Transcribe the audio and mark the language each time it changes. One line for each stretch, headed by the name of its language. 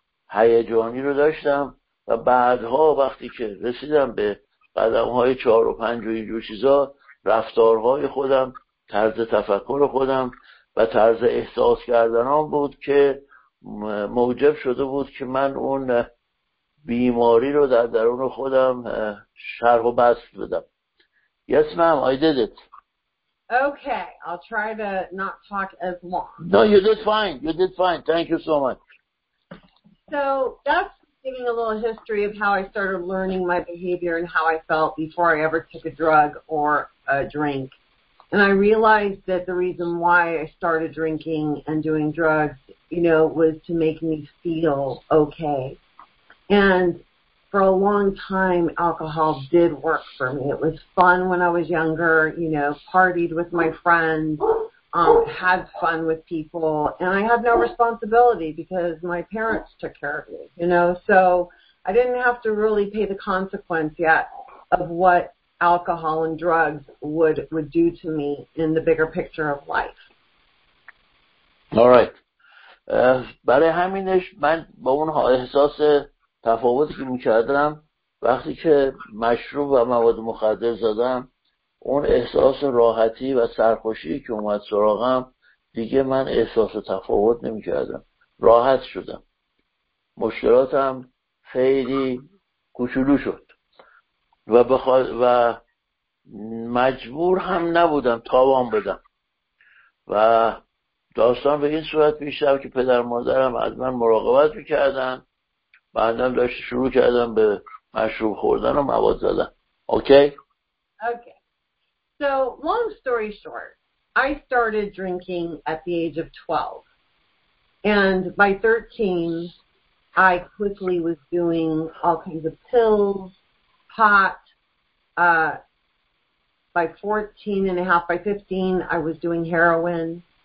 Persian: هیجانی رو داشتم و بعدها وقتی که رسیدم به قدم های 4 و 5 و اینجور چیزا رفتارهای خودم، طرز تفکر خودم و طرز احساس کردنم بود که موجب شده بود که من اون بیماری رو در درون خودم شرح و بسط بدم.
English: Yes, ma'am, I did it. Okay, I'll try to not talk as long. No, you did fine. You did fine. Thank you so much. So that's giving a little history of how I started learning my behavior and how I felt before I ever took a drug or a drink. And I realized that the reason why I started drinking and doing drugs, you know, was to make me feel okay. And for a long time, alcohol did work for me. It was fun when I was younger, you know, partied with my friends, had fun with people, and I had no responsibility because my parents took care of me, you know. So I didn't have to really pay the consequence yet of what alcohol and drugs would do to me in the bigger picture of life. All right.
Persian: برای همینش من با اون احساس تفاوتی که میکردم وقتی که مشروب و مواد مخدر زدم، اون احساس راحتی و سرخوشی که اومد سراغم دیگه من احساس تفاوت نمیکردم، راحت شدم، مشکلاتم خیلی کوچولو شد و مجبور هم نبودم تاوان بدم و داستان به این صورت پیشرفت که پدر مادرم از من مراقبت میکردن، بعدم داشت شروع کردم به مشروب خوردن و مواد زدن. اوکی؟ اوکی.
English: So, long story short, I started drinking at the age of 12. And by 13, I quickly was doing all kinds of pills, taught by 14 and a half, by 15, I was doing heroin.